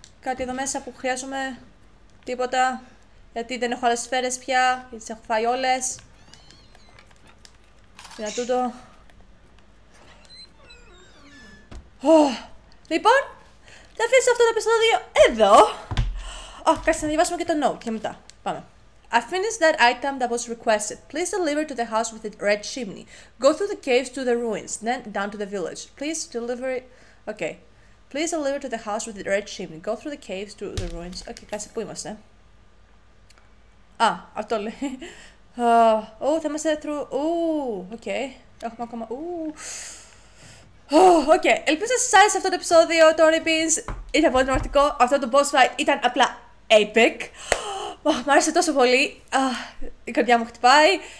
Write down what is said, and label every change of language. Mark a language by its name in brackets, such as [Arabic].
[Greek] Κάτι εδώ μέσα που χρειάζομαι. Τίποτα. Γιατί δεν έχω άλλες σφαίρες πια. Τις έχω φάει όλες. Για τούτο. Oh. Λοιπόν, θα αφήσω αυτό το επεισόδιο εδώ. Oh, κάτσε να διαβάσουμε και το note και μετά. Πάμε. [English] I finished that item that was requested. Please deliver to the house with the red chimney. Go through the caves to the ruins, then down to the village. Please deliver it. Okay. Please deliver to the house with the red chimney. Go through the caves to the ruins. [Greek] Okay, κάτσε που είμαστε. Ah, αυτό λέει. Oh, θα είμαστε through. Okay. Έχουμε ακόμα. Okay. Ελπίζω σας άρεσε αυτό το επεισόδιο, Tony Beans. Ήταν πολύ δυναμικό. Αυτό το boss fight ήταν απλά epic. Μ' άρεσε τόσο πολύ. Η καρδιά μου χτυπάει.